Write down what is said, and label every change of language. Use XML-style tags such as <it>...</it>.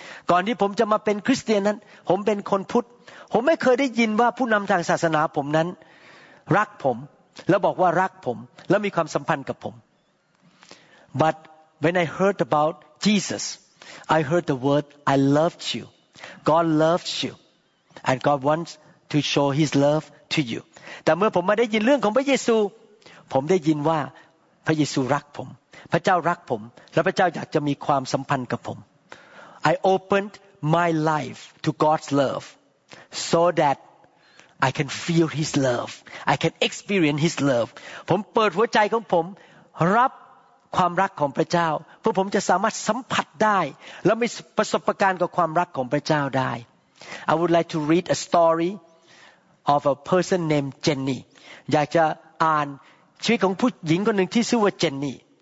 <th>ก่อนที่ผมจะมาเป็นคริสเตียนนั้นผมเป็นคนพุทธผมไม่เคยได้ยินว่าผู้นำทางศาสนาผมนั้นรักผมแล้วบอกว่ารักผมแล้วมีความสัมพันธ์กับผม</th> <en>But when I heard about Jesus, I heard the word I loved you. God loves you, and God wants to show His love to you.</en> <th>แต่เมื่อผมมาได้ยินเรื่องของพระเยซูผมได้ยินว่าพระเยซูรักผมพระเจ้ารักผมและพระเจ้าอยากจะมีความสัมพันธ์กับผม</th> <en>I opened my life to God's love so that I can feel His love I can experience His love</en> <th>ผมเปิดหัวใจของผมรับความรักของพระเจ้าเพื่อผมจะสามารถสัมผัสได้และมีประสบการณ์กับความรักของพระเจ้าได้</th> <en>I would like to read a story of a person named Jenny</en> <th>อยากจะอ่านชีวิตของผู้หญิงคนหนึ่งที่ชื่อว่าเจนนี่</th>